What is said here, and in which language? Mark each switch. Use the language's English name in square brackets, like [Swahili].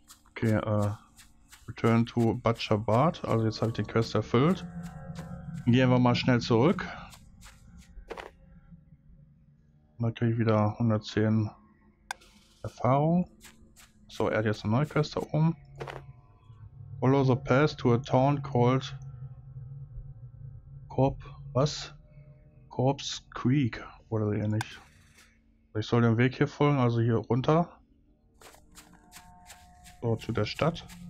[German] Okay, [English] Return to Butcher Bart. [German] Also jetzt habe ich den Quest erfüllt. Gehen wir mal schnell zurück. Dann kriege ich wieder 110 Erfahrung. So, er hat jetzt eine neue Quest da oben. [English] Follow the path to a town called [German] was? Corpse Creek oder ähnlich. Ich soll den Weg hier folgen, also hier runter. So, zu der Stadt.